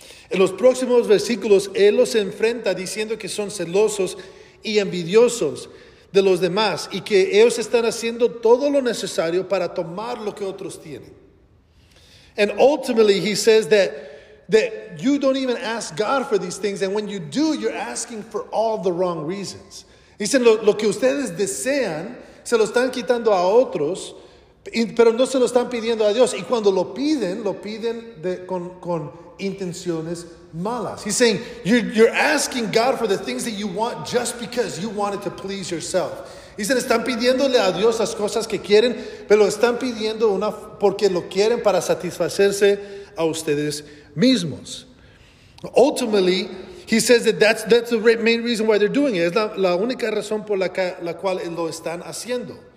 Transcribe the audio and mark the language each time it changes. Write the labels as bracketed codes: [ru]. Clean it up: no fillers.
[es] En los próximos versículos, él los enfrenta diciendo que son celosos y envidiosos de los demás y que ellos están haciendo todo lo necesario para tomar lo que otros tienen. [en] And ultimately, he says that you don't even ask God for these things, and when you do, you're asking for all the wrong reasons. [es] Dicen, lo que ustedes desean, se lo están quitando a otros, pero no se lo están pidiendo a Dios. Y cuando lo piden con intenciones malas. [en] He's saying, you're asking God for the things that you want just because you wanted to please yourself. [es] Dicen, están pidiéndole a Dios las cosas que quieren, pero lo están pidiendo porque lo quieren para satisfacerse a ustedes mismos. [en] Ultimately, he says that's the main reason why they're doing it. [es] Es la única razón por la cual lo están haciendo.